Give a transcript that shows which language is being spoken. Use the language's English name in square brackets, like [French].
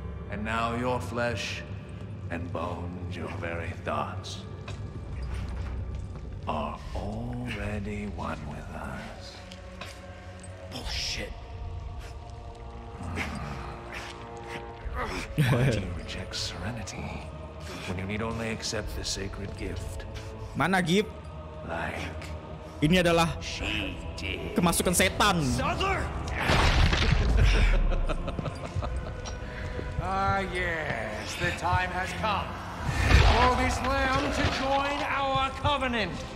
[English] And now your flesh and bone, your very thoughts are already one with us. Bullshit. Why do you reject serenity when you need only accept the sacred gift? [Indonesian] Mana gift? [English] Like, [Indonesian] ini adalah kemasukan setan. [English] Sutler! Yes, the time has come for this lamb to join our covenant.